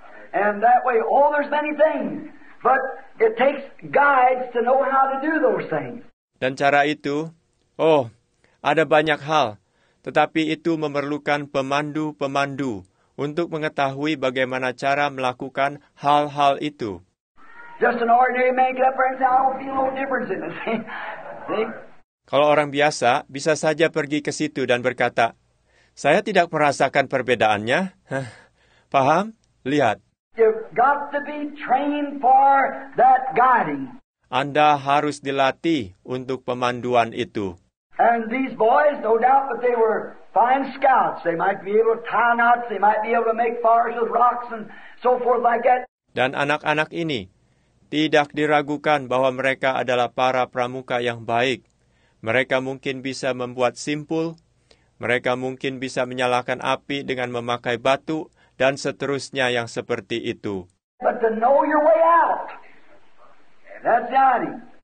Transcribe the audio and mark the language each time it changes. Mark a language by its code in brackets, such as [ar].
[en] And that way, oh, there's many things, but it takes guides to know how to do those things. [id] Dan cara itu, oh, ada banyak hal, tetapi itu memerlukan pemandu-pemandu untuk mengetahui bagaimana cara melakukan hal-hal itu. [en] Just an ordinary man get up and say, I don't feel no difference in it. [id] Kalau orang biasa, bisa saja pergi ke situ dan berkata, saya tidak merasakan perbedaannya. Paham? Lihat. [en] You've got to be trained for that guiding. [id] Anda harus dilatih untuk pemanduan itu. [en] And these boys, no doubt that they were fine scouts. They might be able to tie knots, they might be able to make fires with rocks and so forth like that. [id] Dan anak-anak ini, tidak diragukan bahwa mereka adalah para pramuka yang baik. Mereka mungkin bisa membuat simpul, mereka mungkin bisa menyalakan api dengan memakai batu, dan seterusnya yang seperti itu. [en] But to know your way out, that's guiding.